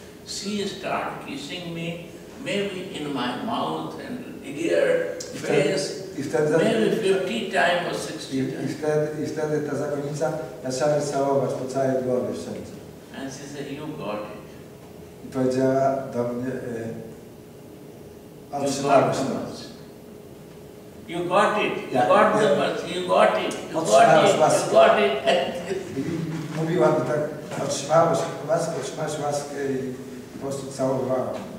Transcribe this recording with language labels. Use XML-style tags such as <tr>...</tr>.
<en>She start kissing me. Maybe in my mouth and ear, face, maybe 50 times or 60 times.</en> <pl>I wtedy ta zakonnica zaczęła całować po całej głowie w sercu.</pl> <en>And she said, you got it.</en> <pl>I powiedziała do mnie, otrzymałeś to.</pl> <en>You got it, you got the mercy, you got it, you got it, you got it.</en> <pl>Mówiła mi tak, otrzymałeś łaskę, otrzymałeś łaskę i po prostu całowała.</pl>